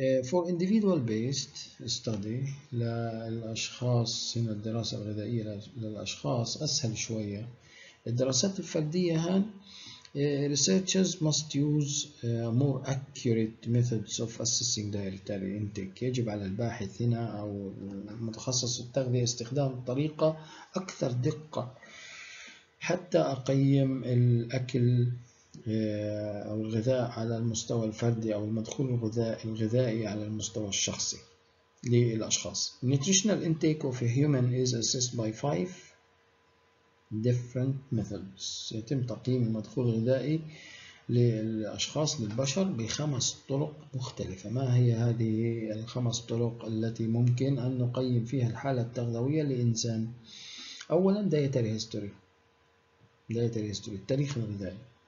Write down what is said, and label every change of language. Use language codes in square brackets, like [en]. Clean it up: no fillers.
[en] For individual based study [ar] للأشخاص، هنا الدراسة الغذائية للأشخاص أسهل شوية. الدراسات الفردية هان [en] researchers must use more accurate methods of assessing dietary intake. [ar] يجب على الباحث هنا أو المتخصص في التغذية استخدام طريقة أكثر دقة حتى أقيم الأكل أو الغذاء على المستوى الفردي أو المدخول الغذائي على المستوى الشخصي للأشخاص. [en] Nutritional intake of a human is assessed by 5 different methods. [ar] يتم تقييم المدخول الغذائي للأشخاص للبشر بخمس طرق مختلفة. ما هي هذه الخمس طرق التي ممكن أن نقيم فيها الحالة التغذوية لإنسان؟ أولا dietary history. [en] Dietary history [ar] التاريخ الغذائي.